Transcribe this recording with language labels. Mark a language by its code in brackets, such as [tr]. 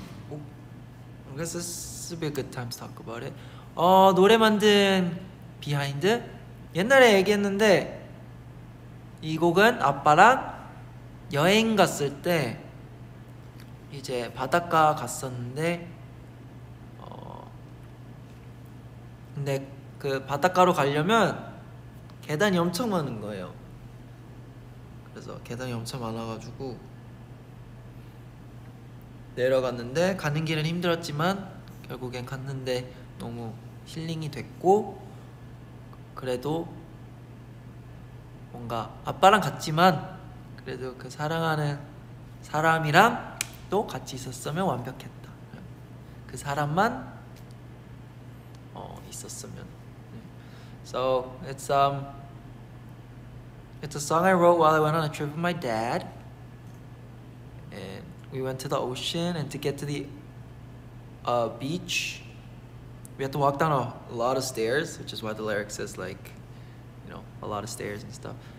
[en] I guess this would be a good time to talk about it. [ko] 노래 만든 비하인드? 옛날에 얘기했는데 이 곡은 아빠랑 여행 갔을 때 이제 바닷가 갔었는데 근데 그 바닷가로 가려면 계단이 엄청 많은 거예요. 그래서 계단이 엄청 많아가지고 내려갔는데 가는 길은 힘들었지만 결국엔 갔는데 너무 힐링이 됐고 그래도 뭔가 아빠랑 갔지만 그래도 그 사랑하는 사람이랑 또 같이 있었으면 완벽했다. 그 사람만 있었으면. [en] So it's a song I wrote while I went on a trip with my dad, and we went to the ocean. And to get to the beach, we had to walk down a lot of stairs, which is why the lyric says like, you know, a lot of stairs and stuff.